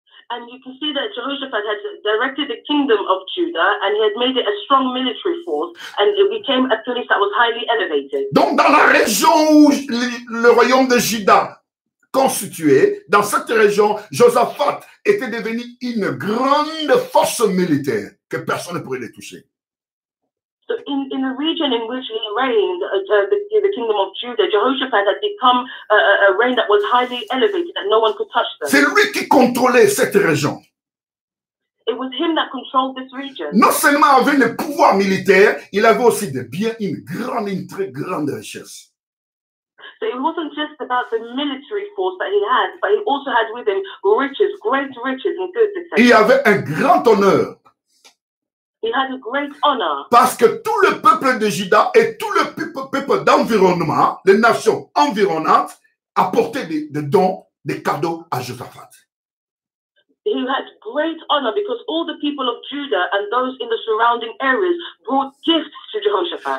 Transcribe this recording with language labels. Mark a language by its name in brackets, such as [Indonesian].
[English] And you can see that Jehoshaphat had directed the kingdom of Judah and he had made it a strong military force and it became a place that was highly elevated. [French] Donc dans la région où le royaume de Juda constitué, dans cette région, Josaphat était devenu une grande force militaire que personne ne pourrait les toucher. [English] So in the region in which he reigned, the kingdom of Judah, Jehoshaphat had become a reign that was highly elevated that no one could touch them. [French] C'est lui qui contrôlait cette région. [English] It was him that controlled this region. [French] Non seulement avait le pouvoir militaire, il avait aussi des biens, une très grande richesse. [English] So it wasn't just about the military force that he had, but he also had with him riches, great riches and goods, etc. [French] Il avait un grand honneur. [English] He had a great honor. [French] Parce que tout le peuple de Juda et tout le peuple d'environnement, les nations environnantes, apportaient des dons, des cadeaux à Josaphat. [English] He had great honor because all the people of Judah and those in the surrounding areas brought gifts to Jehoshaphat.